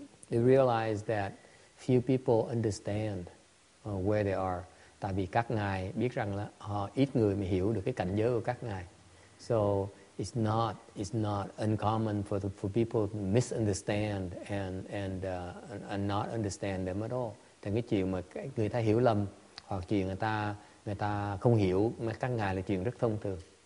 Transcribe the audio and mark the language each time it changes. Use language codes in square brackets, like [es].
[en] They realize that few people understand where they are. [vi] Tại vì các ngài biết rằng là họ ít người mà hiểu được cái cảnh giới của các ngài. [en] So it's not uncommon for people to misunderstand and not understand them at all. [vi] Thì cái chuyện mà người ta hiểu lầm hoặc chuyện người ta không hiểu mà các ngài là chuyện rất thông thường.